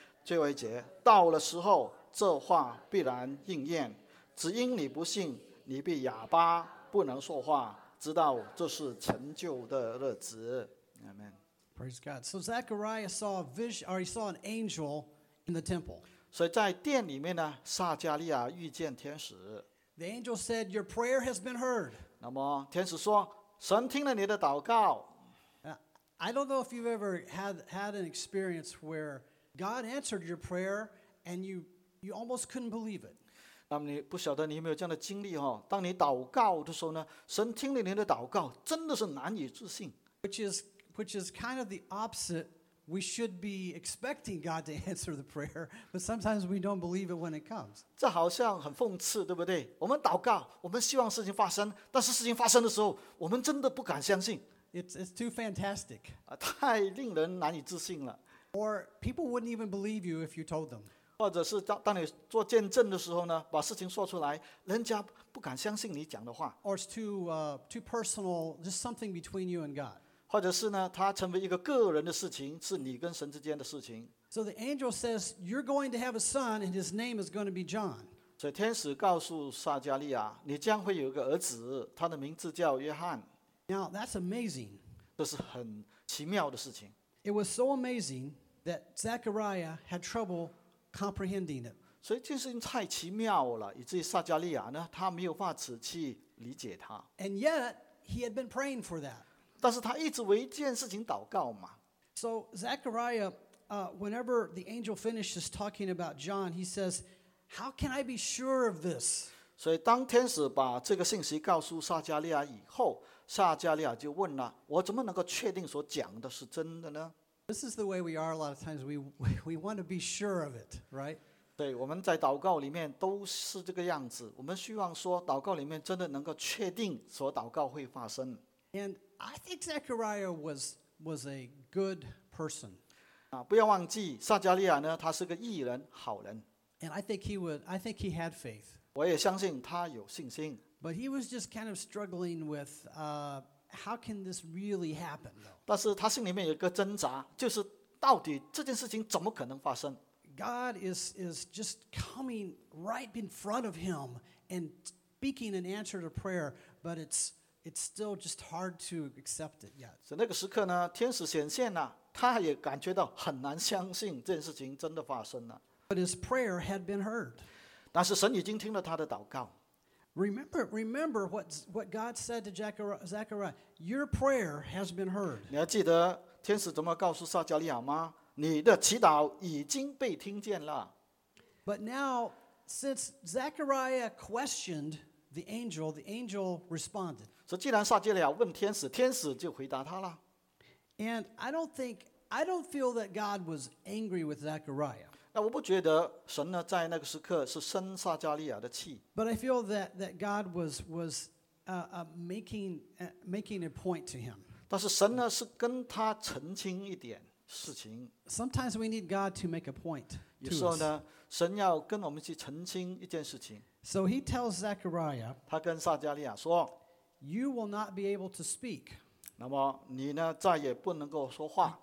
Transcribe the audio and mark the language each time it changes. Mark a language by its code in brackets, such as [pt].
[zh] 最后一节，到了时候这话必然应验，只因你不信，你必哑巴不能说话，直到这是成就的日子。 [en] Amen. Praise God. So Zechariah saw a vision, or he saw an angel in the temple. [zh] 所以在殿里面呢，撒加利亚遇见天使。 [en] The angel said, your prayer has been heard. [zh] 那么天使说，神听了你的祷告。 [en] I don't know if you've ever had an experience where God answered your prayer and you almost couldn't believe it. [zh] 那么你不晓得你有没有这样的经历哈？当你祷告的时候呢，神听了你的祷告，真的是难以置信。 [en] Which is kind of the opposite. We should be expecting God to answer the prayer, but sometimes we don't believe it when it comes. [zh] 这好像很讽刺，对不对？我们祷告，我们希望事情发生，但是事情发生的时候，我们真的不敢相信。 [en] It's too fantastic. [zh] 太令人难以置信了。 [en] Or people wouldn't even believe you if you told them. [zh] 或者是当你做见证的时候呢，把事情说出来，人家不敢相信你讲的话。 [en] Or it's too personal, just something between you and God. [zh] 或者是呢，它成为一个个人的事情，是你跟神之间的事情。 [en] So the angel says, you're going to have a son and his name is going to be John. [zh] 所以天使告诉撒加利亚，你将会有一个儿子，他的名字叫约翰。 [en] Now that's amazing. [zh] 这是很奇妙的事情。 [en] It was so amazing that Zechariah had trouble comprehending it. [zh] 所以这件事情太奇妙了，以至于撒加利亚呢，他没有办法去理解它。 [en] And yet he had been praying for that. [zh] 但是他一直为一件事情祷告嘛。 [en] So Zechariah, whenever the angel finishes talking about John, he says, "How can I be sure of this?" [zh] 所以当天使把这个信息告诉撒加利亚以后。撒加利亚就问了，我怎么能够确定所讲的是真的呢？ [en] This is the way we are a lot of times. We want to be sure of it, right? [zh] 对，我们在祷告里面都是这个样子，我们希望说祷告里面真的能够确定所祷告会发生。 [en] And I think Zechariah was a good person. [zh] 不要忘记撒加利亚呢，他是个义人，好人。 [en] And I think he had faith. [zh] 我也相信他有信心。 [en] But he was just kind of struggling with, how can this really happen? [zh] 但是他心里面有一个挣扎，就是到底这件事情怎么可能发生？ [en] God is just coming right in front of him and speaking an answer to prayer, but it's still just hard to accept it yet. [zh] 那个时刻呢，天使显现了，他也感觉到很难相信这件事情真的发生了。 [en] But his prayer had been heard. [zh] 但是神已经听了他的祷告。 [en] Remember what God said to Zechariah. Your prayer has been heard. [zh] 你还记得天使怎么告诉撒加利亚吗？你的祈祷已经被听见了。 [en] But now, since Zechariah questioned the angel responded. [zh] 所以既然撒加利亚问天使，天使就回答他了。 [en] And I don't feel that God was angry with Zechariah. [zh] 那我不觉得神呢在那个时刻是生撒加利亚的气。 [en] But I feel that God was making a point to him. [zh] 但是神呢是跟他澄清一点事情。 [en] Sometimes we need God to make a point. [zh] 有时候呢，神要跟我们去澄清一件事情。 [en] So he tells Zechariah. [zh] 他跟撒加利亚说 [en] ，You will not be able to speak. [zh] 那么你呢再也不能够说话。